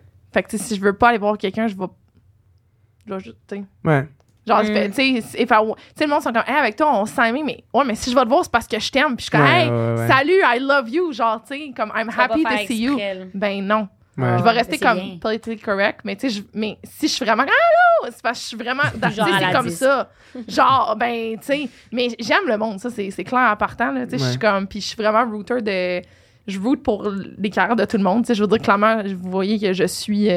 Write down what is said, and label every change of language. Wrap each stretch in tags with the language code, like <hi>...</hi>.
<fr>Fait que, tu sais, si je veux pas aller voir quelqu'un, je vais... Tu sais... Ouais. Genre, tu sais, le monde sont comme, hey, avec toi, on s'est aimé, mais ouais, mais si je vais te voir, c'est parce que je t'aime. Puis je suis comme, hey, salut, I love you. Genre, tu sais, comme,</fr> <en>I'm happy to see you.</en> <fr>Ben non. Ouais. Je vais rester comme politically correct, mais tu sais, mais si je suis vraiment, allô, c'est parce que je suis vraiment, tu sais, c'est comme ça. Genre, ben, tu sais, mais j'aime le monde, ça, c'est clair en partant, là. Tu sais, je suis comme, puis je suis vraiment rooter de. Je route pour les carrières de tout le monde. Je veux dire, clairement, vous voyez que je suis...</fr>